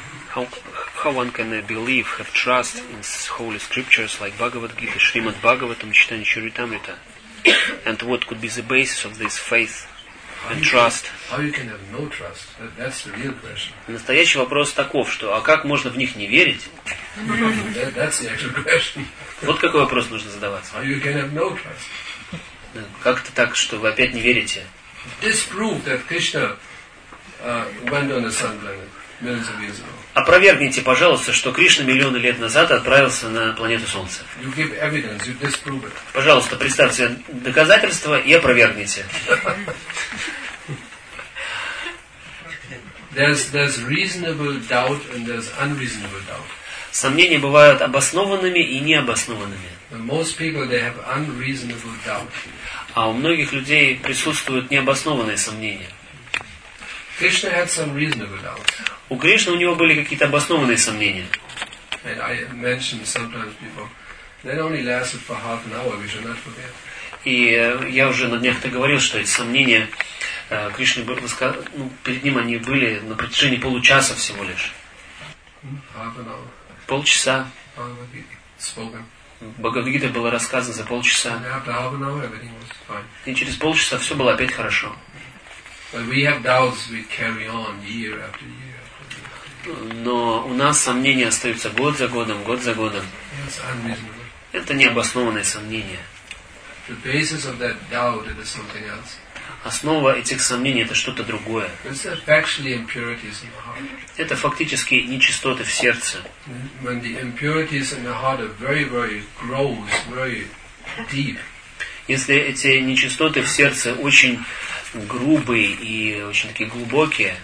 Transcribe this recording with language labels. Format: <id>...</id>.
<en>How one can believe, have trust in holy scriptures like Bhagavad Gita, Srimad Bhagavatam, Chaitanya Charitamrita? And what could be the basis of this faith? and trust. How you can have no trust? That's the real question.</en> <ru>Настоящий вопрос таков, что а как можно в них не верить?</ru> <en>That's the actual question.</en> <ru>Вот какой вопрос нужно задаваться.</ru> <en>How you can have no trust?</en> <ru>Как это так, что вы опять не верите?</ru> <en>Disprove that Krishna went on the sun planet millions of years ago.</en> <ru>Опровергните, пожалуйста, что Кришна миллионы лет назад отправился на планету Солнце.</ru> <en>You give evidence, you disprove it.</en> <ru>Пожалуйста, представьте доказательства и опровергните.</ru> <en>There's reasonable doubt and there's unreasonable doubt.</en> <ru>Сомнения бывают обоснованными и необоснованными.</ru> <en>Most people, they have unreasonable doubt.</en> <ru>А у многих людей присутствуют необоснованные сомнения.</ru> <en>Krishna had some reasonable doubts.</en> <ru>У Кришны у него были какие-то обоснованные сомнения.</ru> <en>And I mentioned sometimes before, that only lasted for half an hour, we should not forget.</en> <ru>И я уже на днях-то говорил, что эти сомнения Кришны перед ним они были на протяжении получаса всего лишь.</ru> <en>Half an hour.</en> <ru>Полчаса.</ru> <en>Spoken.</en> <ru>Бхагавад-гита было рассказано за полчаса.</ru> <en>And after half an hour, everything was fine.</en> <ru>И через полчаса все было опять хорошо.</ru> <en>But we have doubts, we carry on year after year.</en> <ru>Но у нас сомнения остаются год за годом, год за годом. Это необоснованные сомнения.</ru> <en>The basis of that doubt, it is something else.</en> <ru>Основа этих сомнений – это что-то другое.</ru> <en>It's actually impurities in the heart.</en> <ru>Это фактически нечистоты в сердце.</ru> <en>When the impurities in the heart are very, very gross, very deep.</en> <ru>Если эти нечистоты в сердце очень грубые и очень такие глубокие,</ru>